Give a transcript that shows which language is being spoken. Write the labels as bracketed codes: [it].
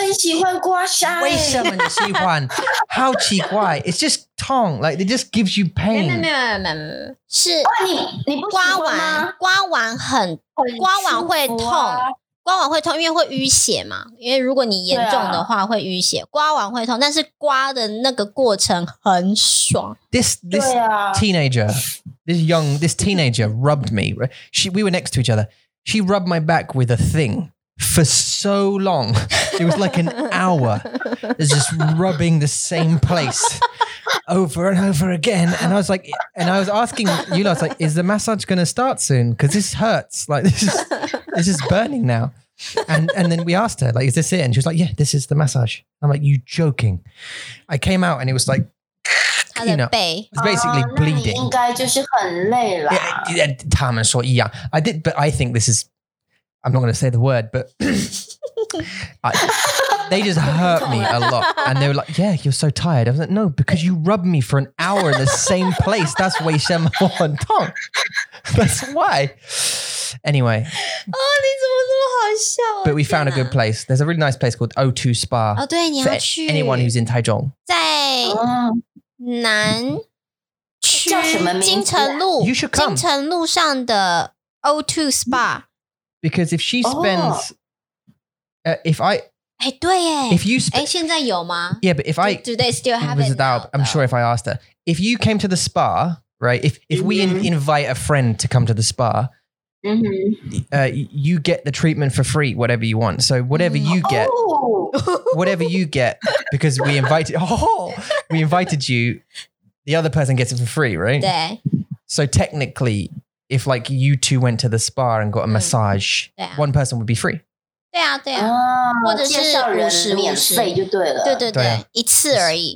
[zh] 刮痧，我很喜欢刮痧。为什么你喜欢？好奇怪， [en] it's just tongue, like it just gives you pain. [zh] 没有，是刮完会痛。刮完会痛，因为会淤血嘛。因为如果你严重的话，会淤血。刮完会痛，但是刮的那个过程很爽。 [en] This teenager rubbed me. We were next to each other. She rubbed my back with a thing for so long. It was like an hour. It's just rubbing the same place over and over again. And I was like, and I was asking Yula, I was like, is the massage going to start soon? Because this hurts. Like this is burning now. and then we asked her, like, is this it? And she was like, yeah, this is the massage. I'm like, you joking. I came out and it was like, you know, it's basically bleeding. [zh] 那你应该就是很累了。他们说一样。 [en] I did, but I think this is, I'm not going to say the word, but they just hurt me a lot. And they were like, yeah, you're so tired. I was like, no, because you rubbed me for an hour in the same place. That's why. That's why. Anyway. [zh] Oh, 你怎么这么好笑啊, [en] but we found a good place. There's a really nice place called O2 Spa. [zh] Oh, 对，你要去。 [en] Anyone who's in Taichung. [zh] 在南区金城路, [en] you should come. [zh] 金城路上的 O2 Spa. [en] Because if she spends, if you spend, [zh] 现在有吗? [en] Yeah, but if I, do they still have it now? I'm sure if I asked her. If you came to the spa, right? If we invite a friend to come to the spa, you get the treatment for free, whatever you want. So whatever you get, whatever you get, because we invited, you, the other person gets it for free, right? So technically, if like you two went to the spa and got a massage, one person would be free. [zh] 对啊，对啊，或者是五十，对，一次而已。